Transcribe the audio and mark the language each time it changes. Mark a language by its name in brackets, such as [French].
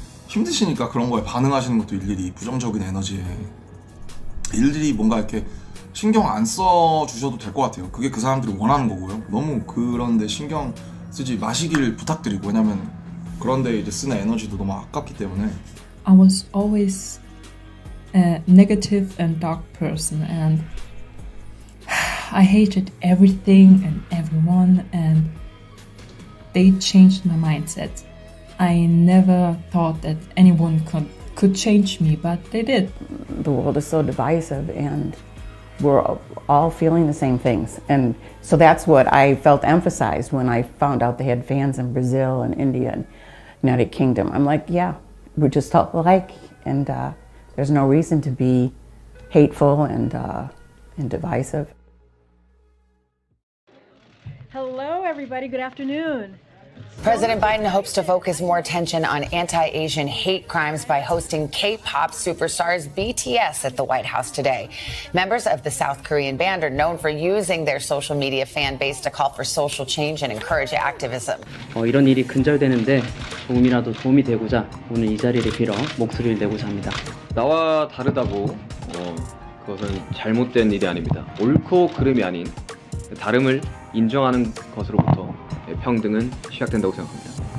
[Korean] 힘드시니까 그런 거에 반응하시는 것도 일일이 부정적인 에너지에 일일이 뭔가 이렇게 신경 안 써주셔도 될 것 같아요. 그게 그 사람들이 원하는 거고요. 너무 그런데 신경 쓰지 마시길 부탁드리고, 왜냐면 그런데 이제 쓰는 에너지도 너무 아깝기 때문에. [English] I was always a negative and dark person and I hated everything and everyone and they changed my mindset. I never thought that anyone could change me, but they did. The world is so divisive and we're all feeling the same things. And so that's what I felt emphasized when I found out they had fans in Brazil and India and United Kingdom. I'm like, yeah, we're just all alike and there's no reason to be hateful and divisive. Hello, everybody. Good afternoon. President Biden hopes to focus more attention on anti-Asian hate crimes by hosting K-pop superstars BTS at the White House today. Members of the South Korean band are known for using their social media fan base to call for social change and encourage activism. [Korean] 이런 일이 근절되는데 조금이라도 도움이 되고자 오늘 이 자리를 빌어 목소리를 내고자 합니다. 나와 다르다고 그것은 잘못된 일이 아닙니다. 옳고 그름이 아닌 다름을 인정하는 것으로부터 평등은 시작된다고 생각합니다.